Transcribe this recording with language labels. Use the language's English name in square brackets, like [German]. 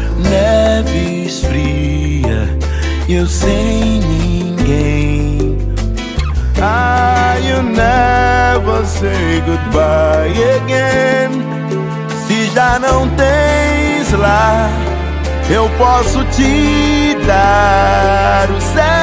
[Portuguese] Neve esfria e eu sem ninguém. [English] Ah, you never say goodbye again. [Portuguese] Se já não tens lá, eu posso te dar o céu.